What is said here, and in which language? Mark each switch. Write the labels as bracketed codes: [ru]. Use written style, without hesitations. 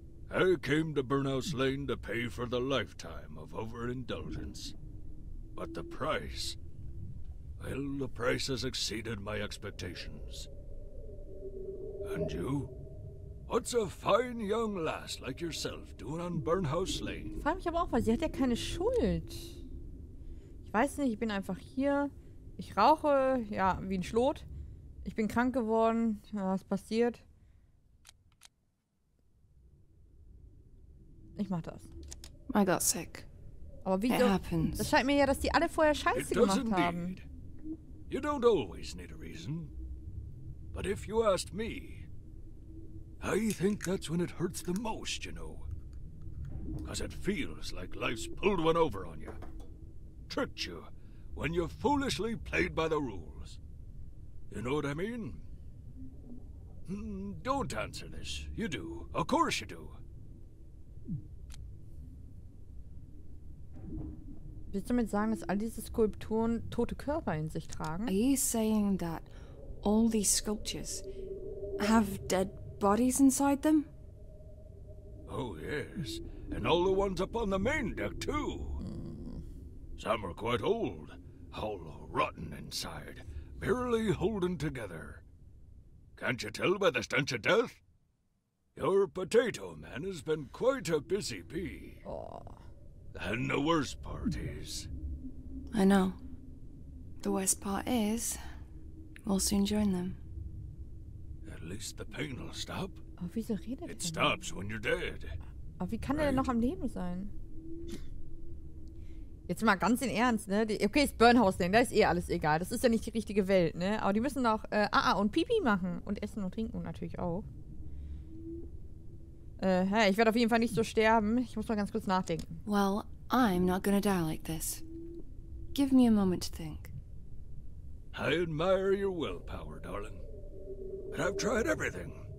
[en] I came to Burnhouse Lane to pay for the lifetime of overindulgence. But the price... Well, the price has exceeded my expectations. And you? What's a fine young lass like yourself doing on Burnhouse Lane? [de] Ich frage mich aber auch, weil sie hat ja keine Schuld. Ich weiß nicht, ich bin einfach hier... Ich rauche, ja, wie ein Schlot. Ich bin krank geworden. Was passiert? Ich mach das. [en] I got sick. [de] Aber wieso? Das scheint mir ja, dass die alle vorher Scheiße gemacht haben. [en] You don't always need a reason. But if you asked me, I think that's when it hurts the most, you know. Because it feels like life's pulled one over on you. Tricked you. When you foolishly played by the rules. You know what I mean? Don't answer this. You do. Of course you do. [de] Willst du damit sagen, dass all diese Skulpturen tote Körper in sich tragen? [en] Are you saying that all these sculptures have dead bodies inside them? Oh yes. And all the ones up on the main deck too. Some are quite old. All rotten inside, barely holding together. Can't you tell by the stench of death? Your potato man has been quite a busy bee. Oh. And the worst part is... I know. The worst part is... we'll soon join them. At least the pain will stop. [de] Oh, wieso redet [en] it stops when you're dead. [de] Aber wie kann [en] right? [de] er denn noch am Leben sein? Jetzt mal ganz in Ernst, ne? Okay, ist Burnhouse denn, da ist eh alles egal. Das ist ja nicht die richtige Welt, ne? Aber die müssen doch und Pipi machen und essen und trinken natürlich auch. Hey, ich werde auf jeden Fall nicht so sterben. Ich muss mal ganz kurz nachdenken. [en] Well, I'm not gonna die like this. Give me a moment to think. I admire your willpower, darling. But I've tried everything.